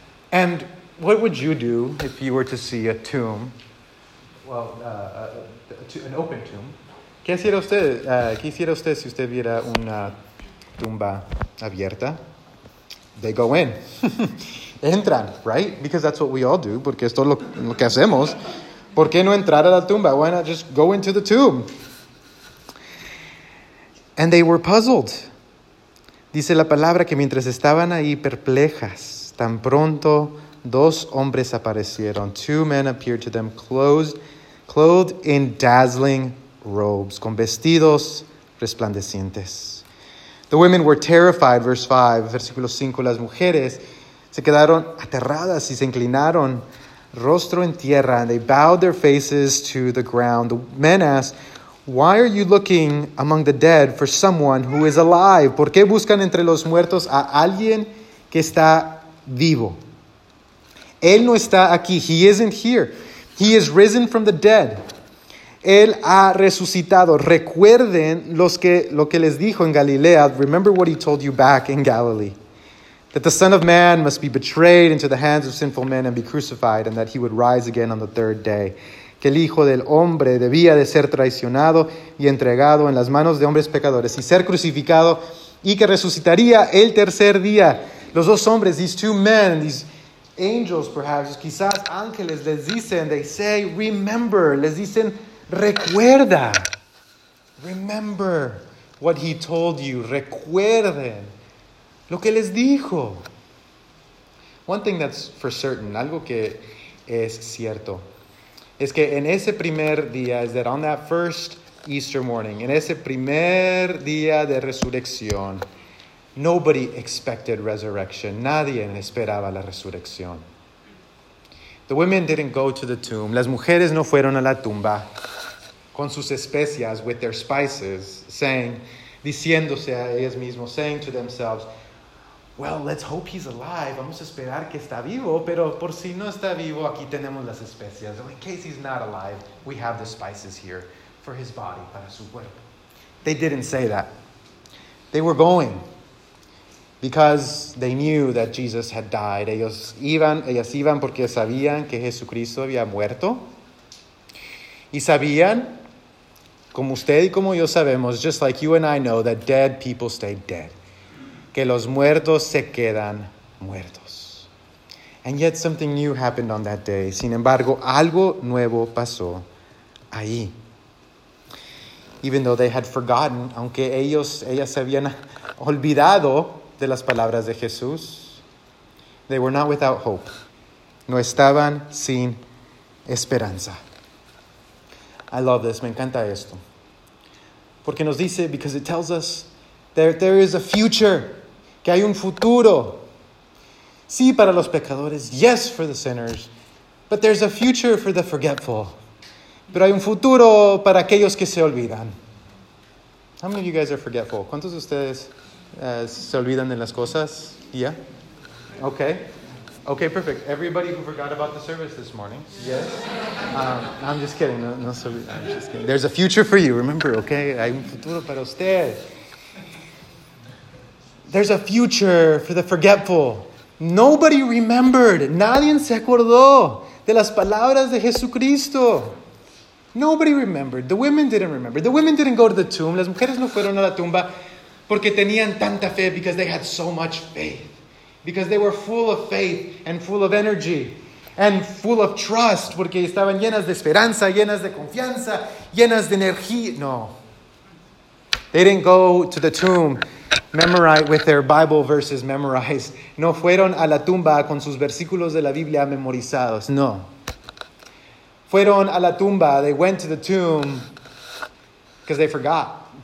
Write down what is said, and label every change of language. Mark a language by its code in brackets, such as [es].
[en] And what would you do if you were to see a tomb? Well, an open tomb. [es] ¿Qué hiciera usted si usted viera una tumba abierta? [en] They go in. [es] Entran, [en] right? Because that's what we all do. [es] Porque esto es lo que hacemos. ¿Por qué no entrar a la tumba? [en] Why not just go into the tomb? And they were puzzled. [es] Dice la palabra que mientras estaban ahí perplejas, tan pronto dos hombres aparecieron. [en] Two men appeared to them clothed in dazzling robes, [es] con vestidos resplandecientes. [en] The women were terrified, verse 5, [es] versículo 5. Las mujeres se quedaron aterradas y se inclinaron rostro en tierra, [en] and they bowed their faces to the ground. The men asked, why are you looking among the dead for someone who is alive? [es] ¿Por qué buscan entre los muertos a alguien que está vivo? Él no está aquí. [en] He isn't here. He is risen from the dead. [es] Él ha resucitado. Recuerden lo que les dijo en Galilea. [en] Remember what he told you back in Galilee. That the Son of Man must be betrayed into the hands of sinful men and be crucified, and that he would rise again on the third day. [es] Que el Hijo del Hombre debía de ser traicionado y entregado en las manos de hombres pecadores y ser crucificado y que resucitaría el tercer día. Los dos hombres, [en] these two men, these angels perhaps, [es] quizás ángeles, les dicen, [en] they say, remember, [es] les dicen, recuerda. [en] Remember what he told you. [es] Recuerden lo que les dijo. [en] One thing that's for certain, [es] algo que es cierto, es que en ese primer día, [en] is that on that first Easter morning, [es] en ese primer día de resurrección, [en] nobody expected resurrection. [es] Nadie esperaba la resurrección. [en] The women didn't go to the tomb. [es] Las mujeres no fueron a la tumba con sus especias, [en] with their spices, saying, [es] diciéndose a ellas mismas, [en] saying to themselves, well, let's hope he's alive. [es] Vamos a esperar que está vivo, pero por si no está vivo, aquí tenemos las especias. [en] In case he's not alive, we have the spices here for his body, [es] para su cuerpo. [en] They didn't say that. They were going because they knew that Jesus had died. [es] Ellas iban porque sabían que Jesucristo había muerto. Y sabían, como usted y como yo sabemos, [en] just like you and I know, that dead people stay dead. [es] Que los muertos se quedan muertos. [en] And yet something new happened on that day. [es] Sin embargo, algo nuevo pasó ahí. [en] Even though they had forgotten, [es] aunque ellas se habían olvidado de las palabras de Jesús, [en] they were not without hope. [es] No estaban sin esperanza. [en] I love this. [es] Me encanta esto. Porque nos dice, [en] because it tells us there is a future. [es] Que hay un futuro. Sí, para los pecadores. [en] Yes, for the sinners. But there's a future for the forgetful. [es] Pero hay un futuro para aquellos que se olvidan. [en] How many of you guys are forgetful? [es] ¿Cuántos de ustedes se olvidan de las cosas? [en] Yeah? Okay. Okay, perfect. Everybody who forgot about the service this morning. Yes? I'm just kidding. No, I'm just kidding. There's a future for you. Remember, okay? [es] Hay un futuro para usted. [en] There's a future for the forgetful. Nobody remembered. [es] Nadie se acordó de las palabras de Jesucristo. [en] Nobody remembered. The women didn't remember. The women didn't go to the tomb. [es] Las mujeres no fueron a la tumba porque tenían tanta fe, [en] because they had so much faith. Because they were full of faith and full of energy and full of trust, [es] porque estaban llenas de esperanza, llenas de confianza, llenas de energía. [en] No. They didn't go to the tomb memorized with their Bible verses memorized. [es] No fueron a la tumba con sus versículos de la Biblia memorizados. No. Fueron a la tumba. [en] They went to the tomb because they forgot.